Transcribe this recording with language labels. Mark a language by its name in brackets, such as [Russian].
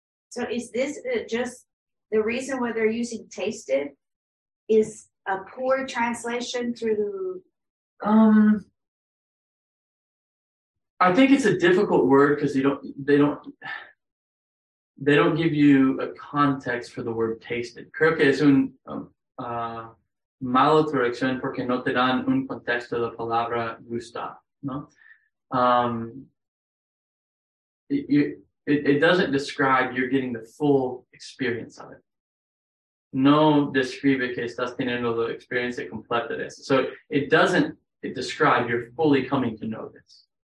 [English] So is this just the reason why they're using tasted is a poor translation through the... I think it's a difficult word because they don't give you a context for the word tasted. [Spanish] Creo que es un mala traducción porque no te dan un contexto de la palabra gustar, ¿no? [English] It doesn't describe you're getting the full experience of it. [Spanish] No describe que estás teniendo la experiencia completa de eso. [English] So it doesn't describe you're fully coming to know this.